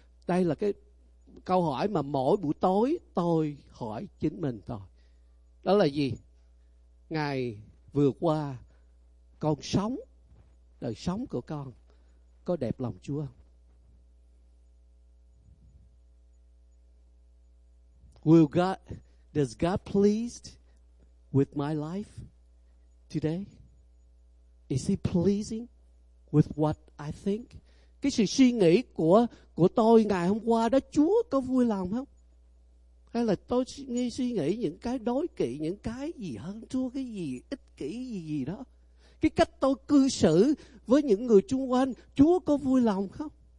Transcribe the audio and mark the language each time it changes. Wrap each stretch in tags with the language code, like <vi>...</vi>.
<vi>Đây là cái câu hỏi mà mỗi buổi tối tôi hỏi chính mình thôi. Đó là gì? Ngày vừa qua con sống, đời sống của con có đẹp lòng Chúa không?</vi> <en>Will God, does God pleased with my life today? Is he pleasing with what I think?</en> <vi>Cái sự suy nghĩ của tôi ngày hôm qua đó, Chúa có vui lòng không? Hay là tôi suy nghĩ những cái đối kỵ, những cái gì hơn Chúa, cái gì ích kỷ gì đó. Cái cách tôi cư xử với những người xung quanh, Chúa có vui lòng không?</vi>